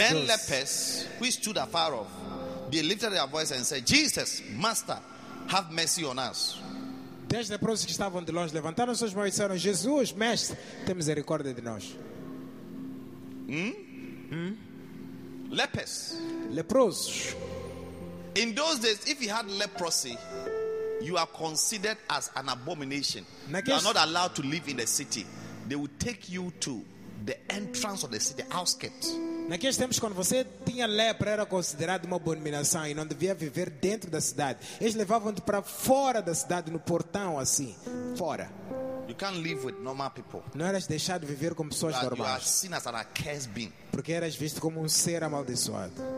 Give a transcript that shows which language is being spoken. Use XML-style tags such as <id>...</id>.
<en>10 12, lepers who stood afar off, they lifted their voice and said, Jesus, Master, have mercy on us.</en> <pt>10 leprosos que estavam de longe levantaram suas mãos e disseram, Jesus, Mestre, tem misericórdia de nós.</pt> <en>Lepers.</en> <pt>Leprosos.</pt> <en>In those days, if you had leprosy, you are considered as an abomination. You are not allowed to live in the city. They will take you to the entrance of the city, the outskirts.</en> <pt>Naqueles tempos, quando você tinha lepra, era considerado uma abominação e não devia viver dentro da cidade. Eles levavam-te para fora da cidade, no portão, assim, fora.</pt> <en>You can't live with normal people.</en> <pt>Não eras deixado viver com pessoas normais.</pt> <en>You are seen as an accursed being.</en> <pt>Porque eras visto como ser amaldiçoado.</pt>